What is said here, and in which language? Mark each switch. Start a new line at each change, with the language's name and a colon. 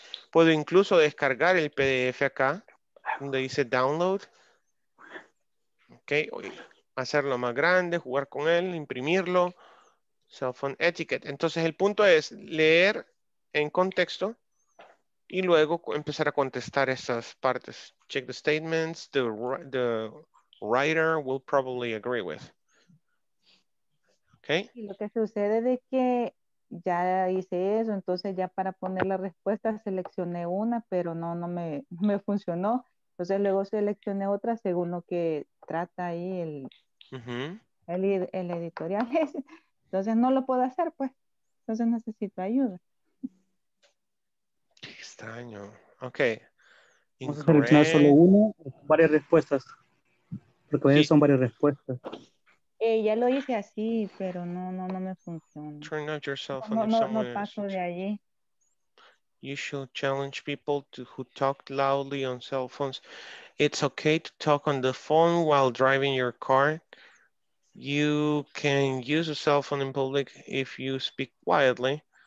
Spanish: Puedo incluso descargar el PDF acá, donde dice download. Ok. Hacerlo más grande, jugar con él, imprimirlo.
English: Cell phone etiquette.
Spanish: Entonces el punto es leer en contexto y luego empezar a contestar esas partes.
English: Check the statements the writer will probably agree with. Okay.
Spanish: Y lo que sucede es que ya hice eso, entonces ya para poner la respuesta seleccioné una, pero no me funcionó. Entonces luego seleccioné otra según lo que trata ahí el editorial. Entonces no lo puedo hacer, pues. Entonces necesito ayuda. Extraño. Ok. Vamos a seleccionar solo uno, varias respuestas. Porque sí. Son varias respuestas. Ya lo hice así, pero no me funciona.
English: Turn out your cell
Spanish: phone. No paso de allí.
English: You should challenge people who talk loudly on cell phones. It's okay to talk on the phone while driving your car. You can use a cell phone in public if you speak quietly.